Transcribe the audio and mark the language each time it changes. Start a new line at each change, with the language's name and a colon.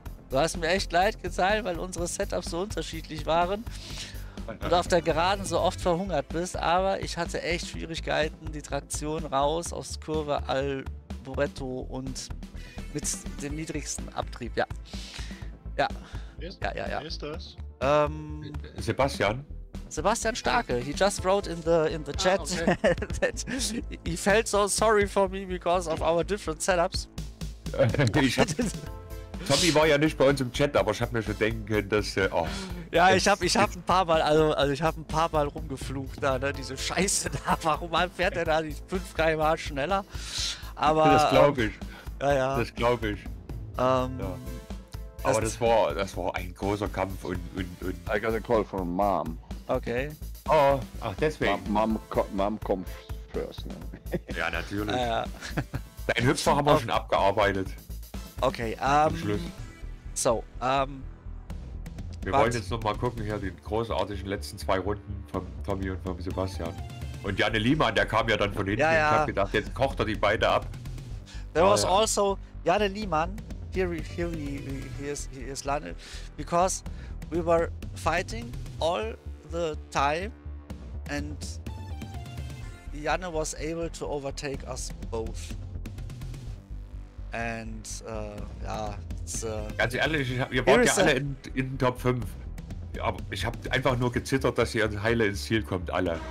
German: Du hast mir echt leid getan, weil unsere Setups so unterschiedlich waren. Und auf der Geraden so oft verhungert bist, aber ich hatte echt Schwierigkeiten, die Traktion raus aus Kurve Alboreto und mit dem niedrigsten Abtrieb, ja. Ja. Ja. Wer ist das? Sebastian.
English: Sebastian Starke, he just wrote in the chat that he felt so sorry for me because of our different setups.
German: Tommy war ja nicht bei uns im Chat, aber ich habe mir schon denken können, dass ich habe ein paar Mal rumgeflucht da, ne? Diese Scheiße da. Warum fährt er da nicht 5 km/h schneller? Aber das glaube ich. Das glaube ich. Aber das war ein großer Kampf und.
English: I got a call from Mom. Okay.
German: Oh, ach deswegen. Mom kommt
English: first.
German: Ne? Ja natürlich. Ja. Dein Hüpfer haben wir schon abgearbeitet. Okay, wollen jetzt nochmal gucken hier den großartigen letzten zwei Runden von Tommy und von Sebastian. Und Janne Liemann, der kam ja dann von hinten. Ja. Ich hab gedacht, jetzt kocht er die beide ab. Also
English: Janne Liemann, here is Lanne, because we were fighting all the time and Janne was able to overtake us both. And it's
German: ganz ehrlich, wir waren ja alle in Top 5. Aber ich habe einfach nur gezittert, dass ihr heile ins Ziel kommt, alle.